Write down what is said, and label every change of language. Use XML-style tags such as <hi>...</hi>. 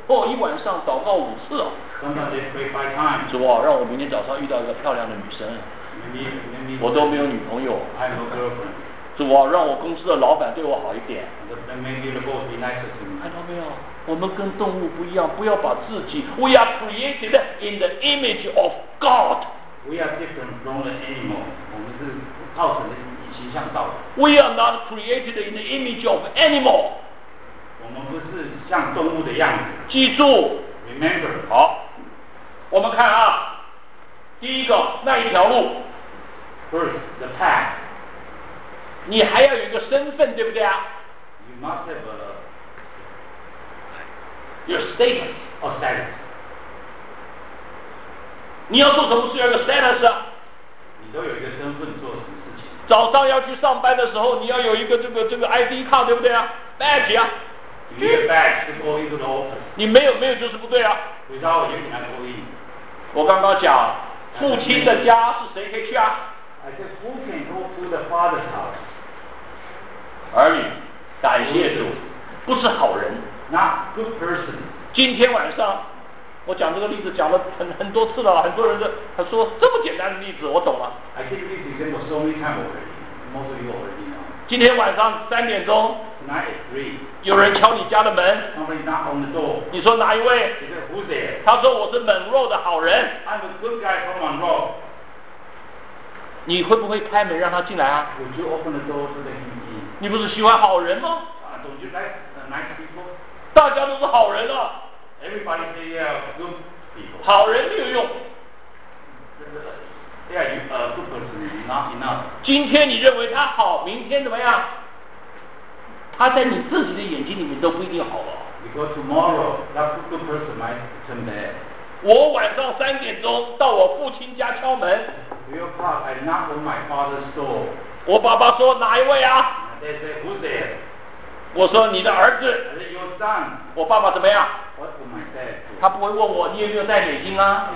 <zh>哦，一晚上祷告五次哦。</zh> <en>Sometimes they pray five times。</en> <zh>主啊，让我明天早上遇到一个漂亮的女生。</zh> <en>Maybe</en> <zh>我都没有女朋友。</zh> <en>I have no girlfriend。</en> <zh>主啊，让我公司的老板对我好一点。看到没有，我们跟动物不一样，不要把自己。</zh> <en>We are created in the image of God. We are different from the animal.</en> <zh>我们是造成的形象造的。</zh> <en>We are not created in the image of animal.</en> <zh>我们不是像动物的样子。记住。</zh> <en>Remember.</en> <zh>好，我们看啊，第一个那一条路。</zh> <en>First, the path.</en> <zh>你还要有一个身份，对不对啊</zh> <en>？You must have a your status or status。</en> <zh>你要做什么事要有个 status 啊？你都有一个身份做什么事情？早上要去上班的时候，你要有一个这个 ID 卡，对不对啊 ？Badge 啊。</zh> <en>You need a badge to go into the office。</en> <zh>你没有就是不对啊。</zh> <en>Without you cannot go in。</en> <zh>我刚刚讲，父亲的家是谁可以去啊？</zh> <en>I said, who can go to the father's house?</en> <zh>儿女，感谢主，不是好人。</zh> <en>Not good person.</en> <zh>今天晚上，我讲这个例子讲了很多次了，很多人他说这么简单的例子，我懂了。</zh> <en>I think this example so many times already. Most of you already know.</en> <zh>今天晚上三点钟。</zh> <en>Tonight at three.</en> <zh>有人敲你家的门。</zh> <en>Somebody knock on the door.</en> <zh>你说哪一位</zh> <en>？He said, who's there?</en> <zh>他说我是门若的好人。</zh> <en>I'm a good guy from Monroe.</en> <zh>你会不会开门让他进来啊？</zh> <en>Would you open the door to the</en> <zh>你不是喜欢好人吗？</zh> <en>Don't you like nice people?</en> <zh>大家都是好人啊。</zh> <en>Everybody say they are good people.</en> <zh>好人没有用。</zh> <en>They are a good person, not enough.</en> <zh>今天你认为他好，明天怎么样？他在你自己的眼睛里面都不一定好啊。</zh> <en>Because tomorrow, that good person might turn bad.</en> <zh>我晚上三点钟到我父亲家敲门。</zh> <en>Real part, I knock on my father's door.</en> <zh>我爸爸说哪一位啊？</zh> <en>They say, who's there?</en> <zh>我说你的儿子。</zh> <en>I say, your son.</en> <zh>我爸爸怎么样？</zh> <en>What will my dad do?</en> <zh>他不会问我你有没有戴眼镜啊？</zh>